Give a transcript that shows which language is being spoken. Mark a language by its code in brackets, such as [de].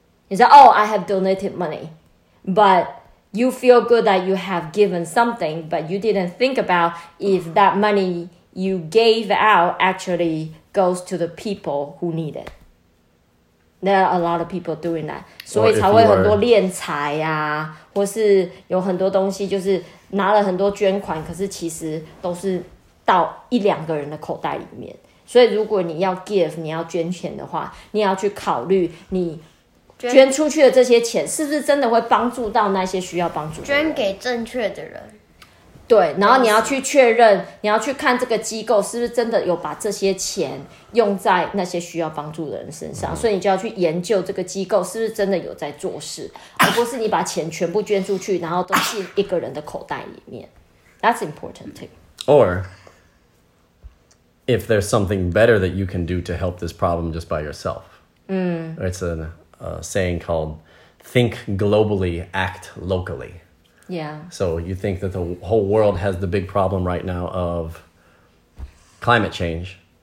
[en] It's like, oh, I have donated money. But you feel good that you have given something, but you didn't think about if that money you gave out actually goes to the people who need it. There are a lot of people doing that. [zh] 所以才会有很多练财啊,或是有很多东西就是拿了很多捐款,可是其实都是到一两个人的口袋里面。所以如果你要 [en] give, [zh] 你要捐钱的话,你要去考虑你 捐出去的这些钱是不是真的会帮助到那些需要帮助的人？捐给正确的人。对，然后你要去确认，你要去看这个机构是不是真的有把这些钱用在那些需要帮助的人身上，所以你就要去研究这个机构是不是真的有在做事，而不是你把钱全部捐出去，然后都进一个人的口袋里面。 [en] That's important too. Or if there's something better that you can do to help this problem just by yourself. It's a saying called think globally, act locally. Yeah. So you think that the whole world has the big problem right now of climate change.